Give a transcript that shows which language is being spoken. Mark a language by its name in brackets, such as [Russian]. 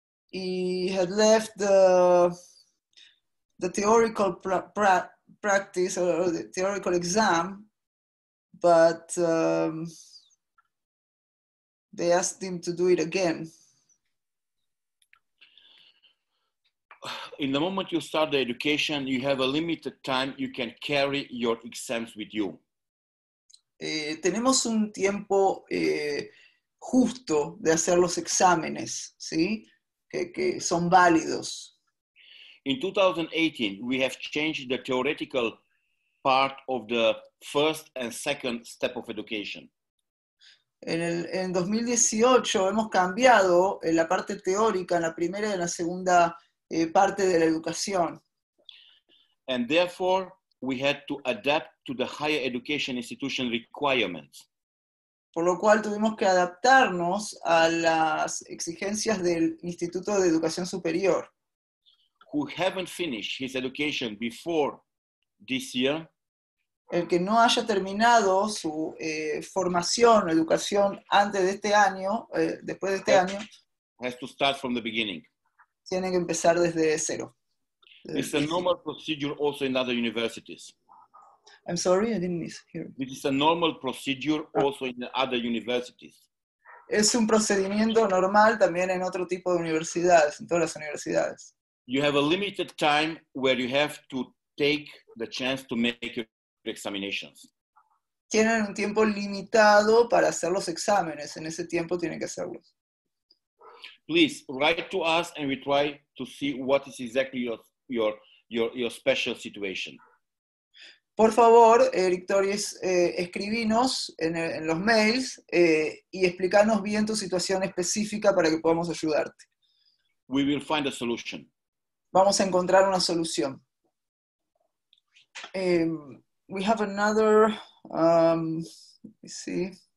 [English] He had left the theoretical practice or the theoretical exam, but they asked him to do it again. In the moment you start the education, you have a limited time you can carry your exams with you. [Spanish] Tenemos un tiempo justo de hacer los exámenes, ¿sí? Que son válidos. [English] In 2018, we have changed the theoretical part of the first and second step of education. [Spanish] En 2018 hemos cambiado en la parte teórica, en la primera y en la segunda parte de la educación. [English] And therefore, we had to adapt to the higher education institution requirements. [Spanish] Por lo cual tuvimos que adaptarnos a las exigencias del Instituto de Educación Superior. [English] Who haven't finished his education before this year. [Spanish] El que no haya terminado su formación o educación antes de este año, después de este año. [English] Has to start from the beginning. [Spanish] Tienen que empezar desde cero. [English] It's a normal procedure also in other universities. I'm sorry, I didn't miss here. It is a normal procedure also in the other universities. [Spanish] Es un procedimiento normal también en otro tipo de universidades, en todas las universidades. [English] You have a limited time where you have to take the chance to make your examinations. [Spanish] Tienen un tiempo limitado para hacer los exámenes. En ese tiempo tienen que hacerlos. [English] Please write to us and we try to see what is exactly your special situation. [Spanish] Por favor, Eric Torres, escribinos en los mails y explícanos bien tu situación específica para que podamos ayudarte. [English] We will find a solution. [Spanish] Vamos a encontrar una solución. [English] We have another, let me see.